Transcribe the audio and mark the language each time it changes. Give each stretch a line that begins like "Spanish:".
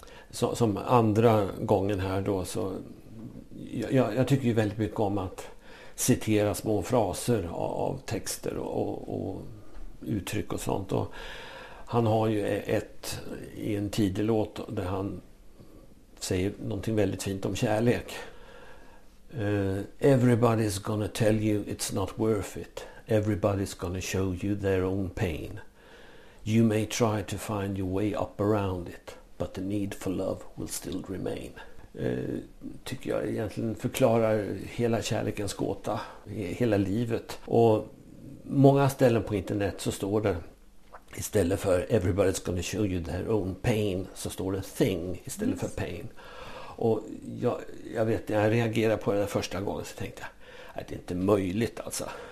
Swedish: Så, som andra gången här då så... Jag tycker ju väldigt mycket om att citera små fraser av texter och uttryck och sånt. Och han har ju ett i en tidig låt där han säger någonting väldigt fint om kärlek.
English: Everybody's gonna tell you it's not worth it. Everybody's gonna show you their own pain. You may try to find your way up around it, but the need for love will still remain.
Swedish: Tycker jag egentligen förklarar hela kärlekens gåta, hela livet. Och många ställen på internet så står det istället för everybody's gonna show you their own pain så står det thing istället för pain. Och jag vet, när jag reagerade på det första gången så tänkte jag att det inte är möjligt alltså.